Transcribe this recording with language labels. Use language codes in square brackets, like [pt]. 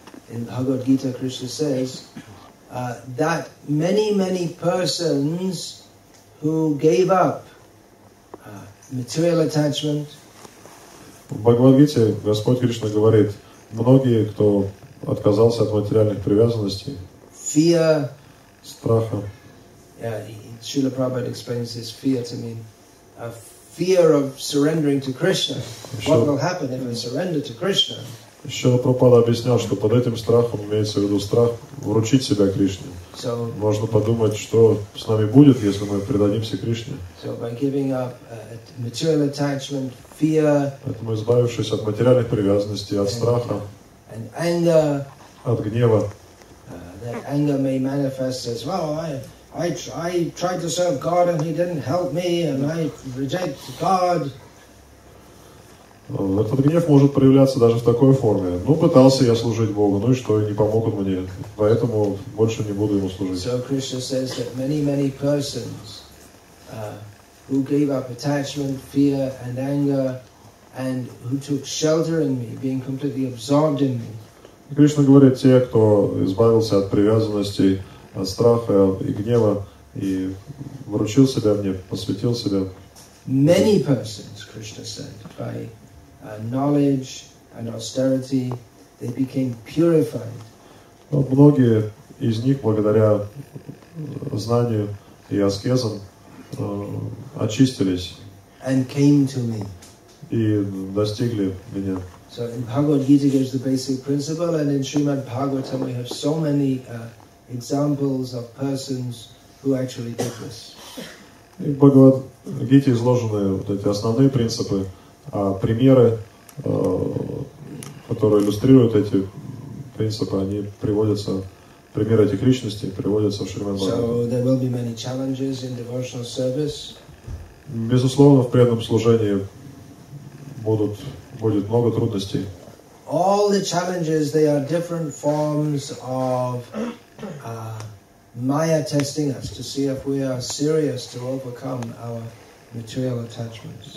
[en] In Bhagavad Gita, Krishna says that many, many persons who gave up material attachment. [ru] В Бхагавад Гите Господь Кришна говорит, многие, кто отказался от материальных привязанностей. [en] Fear. [ru] Страха. [en] Yeah, Srila Prabhupada explains this fear to mean a fear of surrendering to Krishna. What will happen if I surrender to Krishna? [ru] Srila Prabhupada объяснял, что под этим страхом имеется в виду страх вручить себя Кришне. [en] So, [ru] можно подумать, что с нами будет, если мы предадимся Кришне. [en] So by giving up material attachment, fear. [ru] Поэтому, избавившись от материальных привязанностей, от страха, [en] and anger, [ru] от гнева. [en] That anger may manifest as, well, I tried to serve God and he didn't help me and I reject God. [ru] Этот гнев может проявляться даже в такой форме. Ну, пытался я служить Богу, ну и что, не помог он мне, поэтому больше не буду ему служить. [en] So Krishna says that many, many persons who gave up attachment, fear and anger, and who took shelter in me, being completely absorbed in me. [ru] Кришна говорит, те, кто избавился от привязанностей, от страха и гнева, и вручил себя мне, посвятил себя. [en] Many persons, Krishna said, by knowledge and austerity, they became purified. [ru] Многие из них, благодаря знанию и аскезам, очистились. [en] And came to me. [ru] И достигли меня. [en] So in Bhagavad Gita gives the basic principle, and in Srimad Bhagavatam we have so many examples of persons who actually did this. [ru] В Бхагавад Гите изложены вот эти основные принципы, а примеры, которые иллюстрируют эти принципы, они приводятся, примеры этих личностей приводятся в Шримад Бхагаватам. Безусловно, в преданном служении будет много трудностей. [en] All the challenges, they are different forms of Maya testing us to see if we are serious to overcome our material attachments.